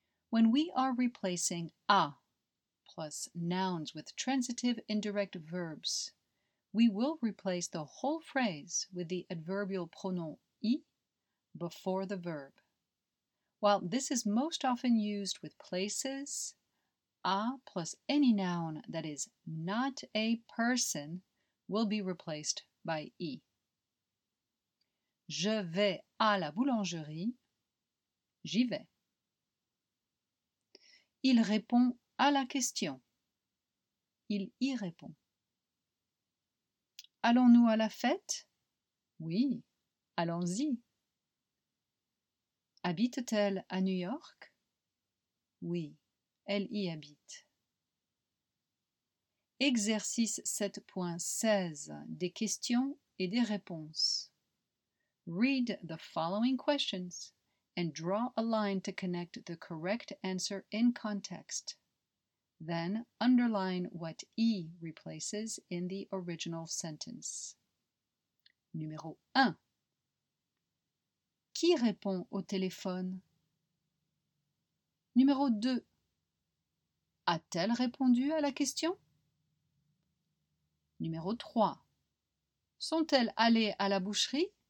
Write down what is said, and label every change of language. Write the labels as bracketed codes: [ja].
[en] When we are replacing a plus nouns with transitive indirect verbs, we will replace the whole phrase with the adverbial pronom I before the verb. While this is most often used with places, a plus any noun that is not a person will be replaced by I. [fr] Je vais à la boulangerie. J'y vais. Il répond à la question. Il y répond. Allons-nous à la fête? Oui, allons-y. Habite-t-elle à New York? Oui, elle y habite. Exercice 7.16, des questions et des réponses. [en] Read the following questions and draw a line to connect the correct answer in context. Then underline what I replaces in the original sentence. [fr] Numéro 1. Qui répond au téléphone? Numéro 2. A-t-elle répondu à la question? Numéro 3. Sont-elles allées à la boucherie?